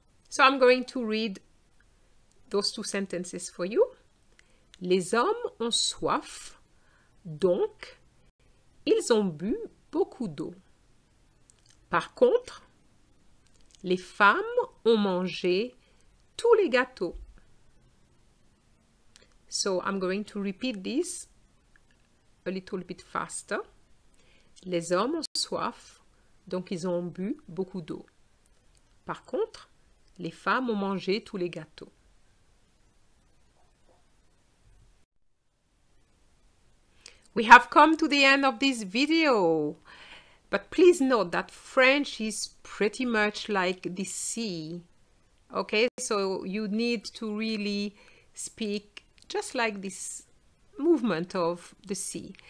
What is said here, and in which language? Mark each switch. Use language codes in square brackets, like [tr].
[en] So I'm going to read those two sentences for you. [fr] Les hommes ont soif, donc ils ont bu beaucoup d'eau. Par contre, les femmes ont mangé tous les gâteaux. [en] So I'm going to repeat this a little bit faster. [fr] Les hommes ont soif, donc ils ont bu beaucoup d'eau. Par contre, les femmes ont mangé tous les gâteaux. [en] We have come to the end of this video, but please note that French is pretty much like the sea. Okay, so you need to really speak just like this movement of the sea.